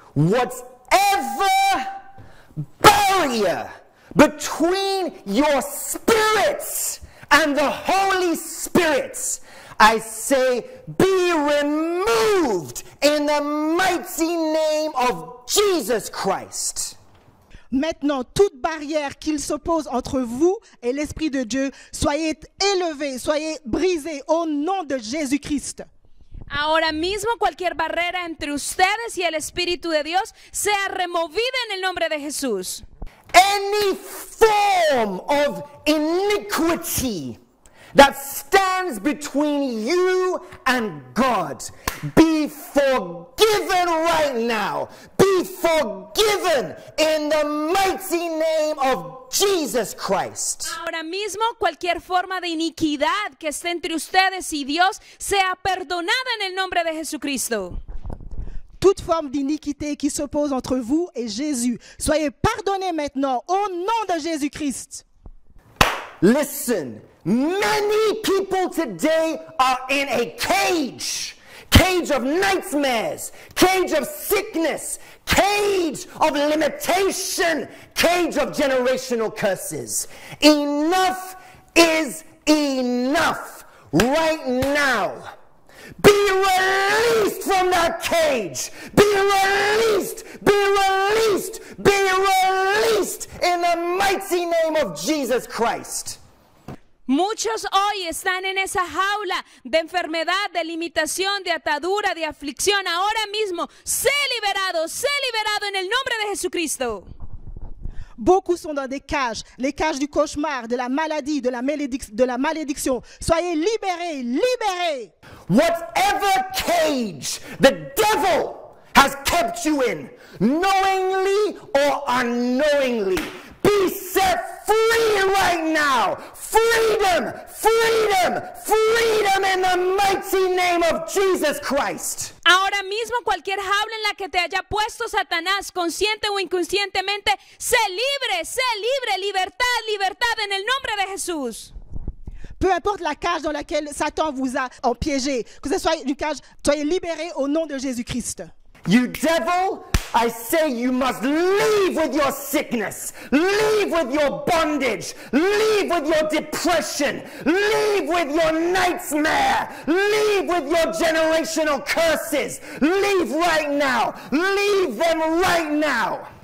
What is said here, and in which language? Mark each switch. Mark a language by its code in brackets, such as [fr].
[en] Whatever barrier between your spirits and the Holy Spirit, I say, be removed in the mighty name of Jesus Christ. [fr] Maintenant, toute barrière qu'il s'oppose entre vous et l'Esprit de Dieu, soyez élevés, soyez brisés au nom de Jésus-Christ. [es] Ahora mismo cualquier barrera entre ustedes y el Espíritu de Dios sea removida en el nombre de Jesús. [en] Any form of iniquity that stands between you and God, be forgiven right now. Be forgiven in the mighty name of Jesus Christ. [es] Ahora mismo, cualquier forma de iniquidad que esté entre ustedes y Dios sea perdonada en el nombre de Jesucristo. [fr] Toute forme d'iniquité qui s'oppose entre vous et Jésus, soyez pardonnés maintenant au nom de Jésus Christ. [en] Listen. Many people today are in a cage. Cage of nightmares. Cage of sickness. Cage of limitation. Cage of generational curses. Enough is enough right now. Be released from that cage. Be released. Be released. Be released in the mighty name of Jesus Christ. [es] Muchos hoy están en esa jaula de enfermedad, de limitación, de atadura, de aflicción. Ahora mismo, sé liberado en el nombre de Jesucristo. [fr] Beaucoup sont dans des cages, les cages du cauchemar, de la maladie, de la malédiction. Soyez libérés, libérés. [en] Whatever cage the devil has kept you in, knowingly or unknowingly, be set free right now. Freedom, freedom, freedom in the mighty name of Jesus Christ. [es] Ahora mismo cualquier jaula en la que te haya puesto Satanás, consciente o inconscientemente, sé libre, libertad, libertad en el nombre de Jesús. [fr] Peu importe la cage dans laquelle Satan vous a empiégé, que ce soit une cage, soyez libérés au nom de Jésus Christ. [en] You devil, I say you must leave with your sickness, leave with your bondage, leave with your depression, leave with your nightmare, leave with your generational curses, leave right now, leave them right now.